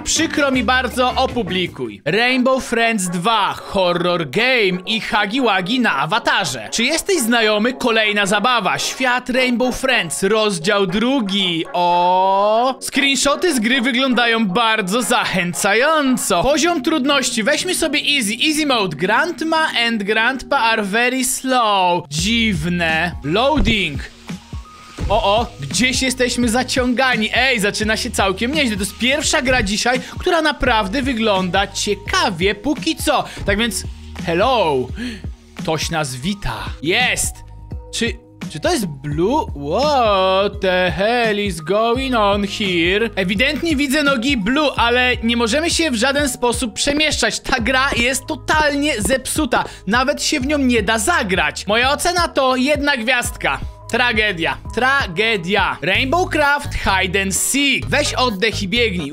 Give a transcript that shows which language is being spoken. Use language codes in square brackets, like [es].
[pl] Przykro mi bardzo, opublikuj. Rainbow Friends 2 Horror Game i Huggy Wuggy na awatarze. Czy jesteś znajomy? Kolejna zabawa. Świat Rainbow Friends, rozdział 2. O, screenshoty z gry wyglądają bardzo zachęcająco. Poziom trudności. Weźmy sobie easy. Easy mode. [en] Grandma and grandpa are very slow. [pl] Dziwne. Loading. O, o, gdzieś jesteśmy zaciągani. Ej, zaczyna się całkiem nieźle. To jest pierwsza gra dzisiaj, która naprawdę wygląda ciekawie póki co. Tak więc, hello. Ktoś nas wita. Jest. Czy to jest Blue? [en] What the hell is going on here? [pl] Ewidentnie widzę nogi Blue, ale nie możemy się w żaden sposób przemieszczać. Ta gra jest totalnie zepsuta. Nawet się w nią nie da zagrać. Moja ocena to jedna gwiazdka. Tragedia. Tragedia. Rainbow Craft Hide and Seek. Weź oddech i biegnij.